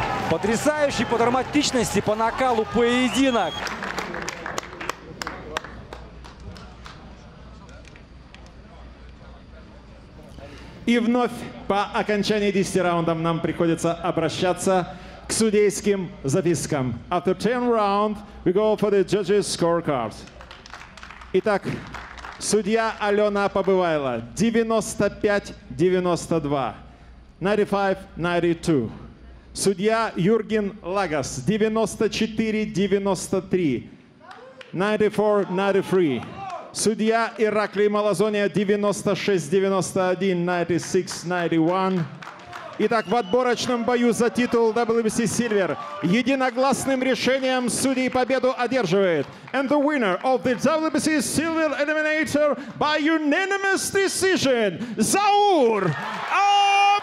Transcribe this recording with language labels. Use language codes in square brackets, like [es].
[ru] Потрясающий по драматичности, по накалу поединок. И вновь по окончании 10 раундов нам приходится обращаться к судейским запискам. [en] After 10 round, we go for the judges' scorecards. [ru] Итак, судья Алена Побывайло. 95-92. 95-92. Судья Юрген Лагас, 94-93, 94-93. Судья Ираклий Малазония, 96-91, 96-91. Итак, в отборочном бою за титул WBC Silver единогласным решением судей победу одерживает. [en] And the winner of the WBC Silver Eliminator by unanimous decision, Заур Абдуллаев!